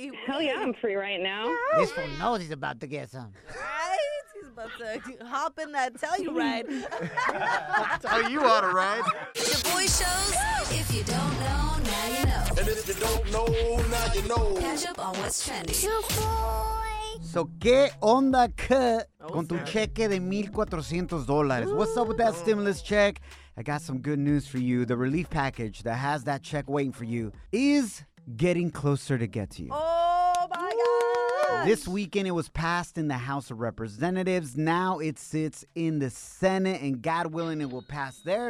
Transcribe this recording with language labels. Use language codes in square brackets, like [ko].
[en] Hell yeah, I'm free right now. This fool knows he's about to get some. Right? He's about to hop in that Telluride. Tell you how to ride. Your boy shows, if you don't know, now you know. And if you don't know, now you know. Catch up on what's trending. Your boy. [es] So, ¿qué onda, cut, con tu cheque de $1,400? [en] What's up with that stimulus check? I got some good news for you. The relief package that has that check waiting for you is getting closer to get to you. Oh, my God! This weekend, it was passed in the House of Representatives. Now, it sits in the Senate, and God willing, it will pass there.